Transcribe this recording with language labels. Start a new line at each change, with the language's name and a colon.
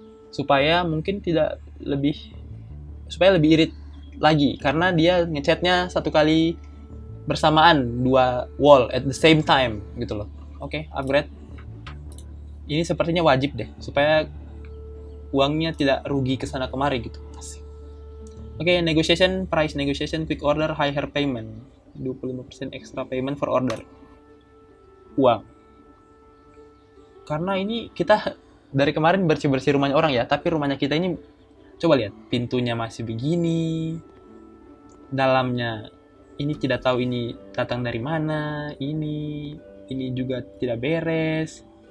Indonesian: Supaya mungkin tidak lebih, supaya lebih irit lagi. Karena dia ngechatnya satu kali bersamaan, dua wall
English: at the same time
Indonesian: gitu loh. Oke, okay, upgrade. Ini sepertinya wajib deh, supaya uangnya tidak rugi kesana kemari gitu.
English: Oke, okay, negotiation, price negotiation, quick order, higher payment. 25% extra payment for order.
Indonesian: Uang. Karena ini kita dari kemarin bersih-bersih rumahnya orang ya, tapi rumahnya kita ini coba lihat, pintunya masih begini. Dalamnya ini tidak tahu ini datang dari mana, ini juga tidak beres.